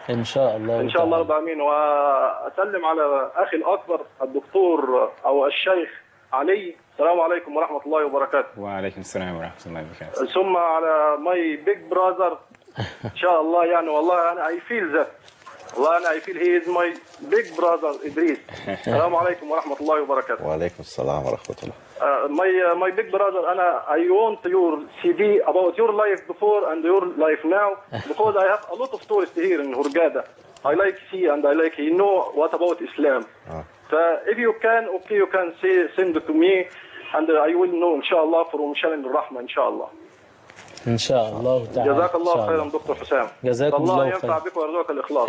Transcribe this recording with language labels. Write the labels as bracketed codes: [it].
[ar] إن شاء الله. إن شاء الله رب العالمين. وأسلم على أخي الأكبر الدكتور أو الشيخ علي. السلام عليكم ورحمة الله وبركاته. وعليكم السلام ورحمة الله وبركاته. ثم على [en] My big brother. [ar] إن شاء الله يعني والله أنا [en] I feel that. [ar] والله أنا [en] I feel he is my big brother إدريس. [ar] السلام عليكم ورحمة الله وبركاته. وعليكم السلام ورحمة الله. [en] My big brother أنا I want your CD about your life before and your life now because I have a lot of tourists here in Hurghada. I like see and I like he know what about Islam. If you can okay you can say send it to me and I will know إن شاء الله from [ar] شأن الرحمة إن شاء الله. إن شاء الله تعالى. جزاك الله خيرا دكتور حسام. جزاك الله خيرا. الله ينفع بك ويرزقك الإخلاص.